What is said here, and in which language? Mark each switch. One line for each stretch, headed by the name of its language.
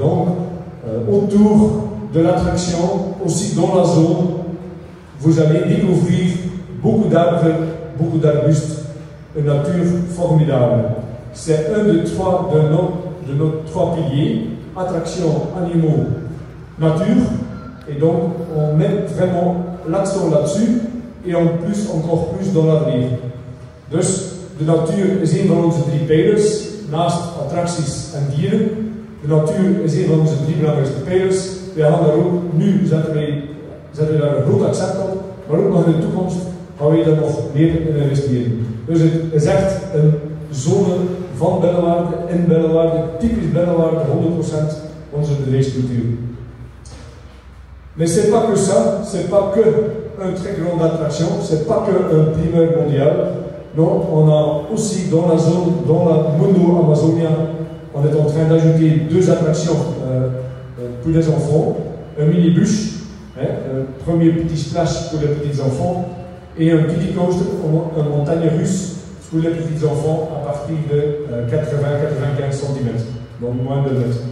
French: Donc, autour de l'attraction, aussi dans la zone, vous allez découvrir beaucoup d'arbres, beaucoup d'arbustes, une nature formidable. C'est un des trois de nos trois piliers, attraction, animaux, nature, et donc on met vraiment l'accent là-dessus, et en plus, encore plus dans l'avenir.
Dutch: Dus de natuur is een van onze drie pijlers, naast attracties en dieren. De natuur is een van onze drie belangrijkste pijlers. We gaan daar ook, nu zetten we daar een groot accent op, maar ook nog in de toekomst gaan we daar nog meer in investeren. Dus het is echt een zone van Bellewaerde, in Bellewaerde, typisch Bellewaerde, 100% onze bedrijfscultuur.
French: Mais c'est pas que ça, c'est pas que une très grande attraction, c'est pas que un primeur mondial. Non, on a aussi dans la zone, dans la Mundo Amazonia, on est en train d'ajouter deux attractions pour les enfants, un minibus, hein, un premier petit splash pour les petits enfants, et un kiddie coaster, une montagne russe pour les petits enfants à partir de 80-95 cm, donc moins de 2 mètres.